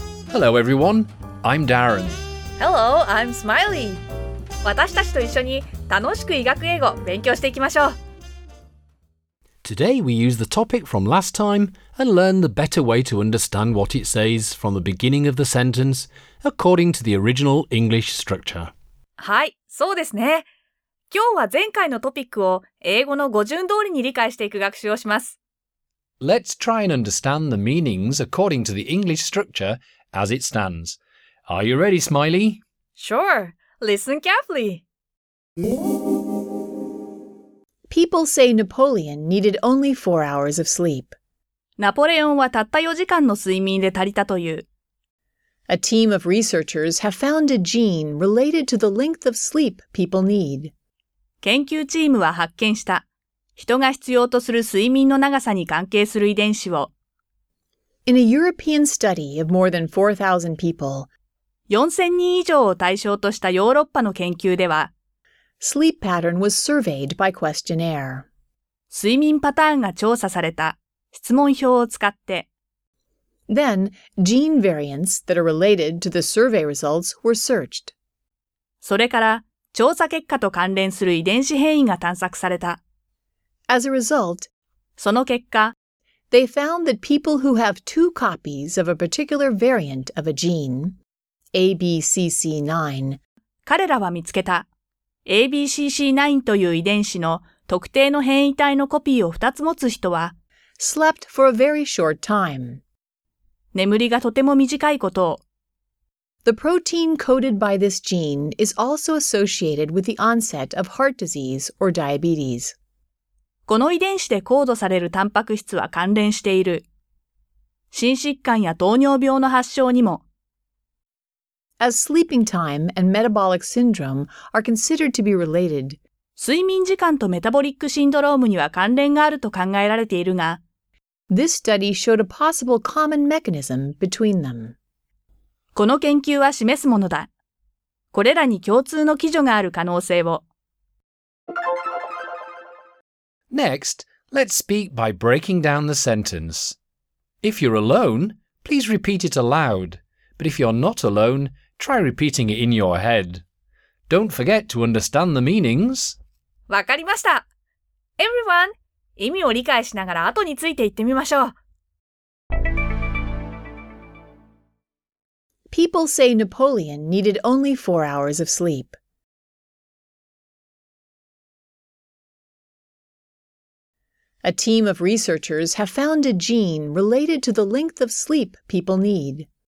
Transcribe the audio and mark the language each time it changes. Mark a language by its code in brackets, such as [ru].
[en] Hello everyone, I'm Darren. Hello, I'm Smiley. [ja] 私たちと一緒に楽しく医学英語勉強していきましょう。 [en] Today we use the topic from last time and learn the better way to understand what it says from the beginning of the sentence according to the original English structure. [ja] はい、そうですね。今日は前回のトピックを英語の語順通りに理解していく学習をします。 [en] Let's try and understand the meanings according to the English structure as it stands. Are you ready, Smiley? Sure. Listen carefully. People say Napoleon needed only 4 hours of sleep. [ja] ナポレオンはたった4時間の睡眠で足りたという。 [en] A team of researchers have found a gene related to the length of sleep people need. [ja] 研究チームは発見した。人が必要とする睡眠の長さに関係する遺伝子を。 [en] In a European study of more than 4,000 people, [ja] 4000人以上を対象としたヨーロッパの研究では、 [en] Sleep pattern was surveyed by questionnaire. [ja] 睡眠パターンが調査された質問票を使って、 [en] Then, gene variants that are related to the survey results were searched. [ja] それから、調査結果と関連する遺伝子変異が探索された。 [en] As a result, [ja] その結果、 [en] They found that people who have two copies of a particular variant of a gene,ABCC9. [ja] 彼らは見つけた。 ABCC9 という遺伝子の特定の変異体のコピーを2つ持つ人は、 [en] slept for a very short time. [ja] 眠りがとても短いことを。 [en] The protein coded by this gene is also associated with the onset of heart disease or diabetes. [ja] この遺伝子でコードされるタンパク質は関連している。心疾患や糖尿病の発症にも、 [en] As sleeping time and metabolic syndrome are considered to be related, [ja] 睡眠時間とメタボリックシンドロームには関連があると考えられているが、 [en] This study showed a possible common mechanism between them. [ja] この研究は示すものだ。これらに共通の基準がある可能性を。 [en] Next, let's speak by breaking down the sentence. If you're alone, please repeat it aloud. But if you're not alone, try repeating it in your head. Don't forget to understand the meanings. [ja] わかりました。 Everyone, 意味を理解しながら後について言ってみましょう。 [en] People say Napoleon needed only 4 hours of sleep. A team of researchers have found a gene related to the length of sleep people need.